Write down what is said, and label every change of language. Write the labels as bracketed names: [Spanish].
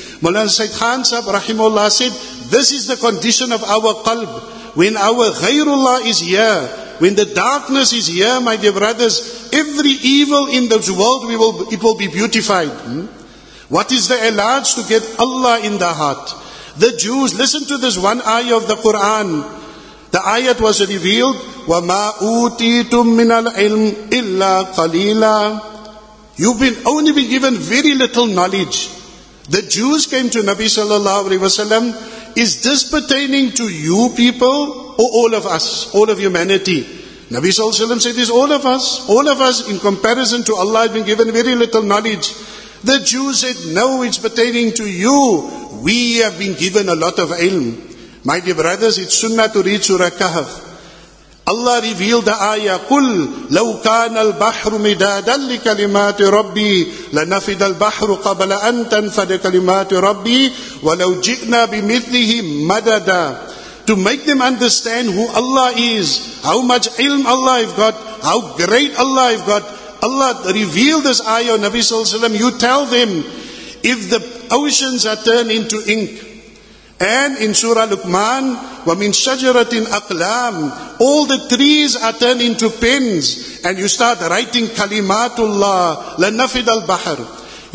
[English] Maulana Said Khan Sahib Rahimullah said, This is the condition of our qalb. When our ghayrullah is here, when the darkness is here, my dear brothers, every evil in this world, it will be beautified. What is the ilaj to get Allah in the heart? The Jews, listen to this one ayah of the Quran. The ayat was revealed, [Arabic] وَمَا أُوتِيتُم مِّنَ الْعِلْمِ إِلَّا قَلِيلًا. [English] You've been only been given very little knowledge. The Jews came to Nabi sallallahu alayhi wa sallam. Is this pertaining to you people or all of us, all of humanity? Nabi sallallahu alayhi wa sallam said, it's all of us. All of us in comparison to Allah have been given very little knowledge. The Jews said, no, it's pertaining to you. We have been given a lot of ilm. My dear brothers, it's sunnah to read Surah Kahf. Allah revealed the ayah, [Arabic] قُلْ لَوْ كَانَ الْبَحْرُ مِدَادًا لِكَلِمَاتِ رَبِّي لَنَفِدَ الْبَحْرُ قَبْلَ أَنْ تَنْفَدَ كَلِمَاتِ رَبِّي وَلَوْ جِئْنَا بِمِثْلِهِ مَدَدًا. [English] To make them understand who Allah is, how much ilm Allah have got, how great Allah have got, Allah revealed this ayah on Nabi sallallahu alayhi wa sallam. You tell them, if the oceans are turned into ink, and in Surah Luqman, [Arabic] وَمِن شَجَرَةٍ أَقْلَامٍ, [English] all the trees are turned into pens, and you start writing Kalimatullah, [Arabic] لَنَفِدَ الْبَحَرِ.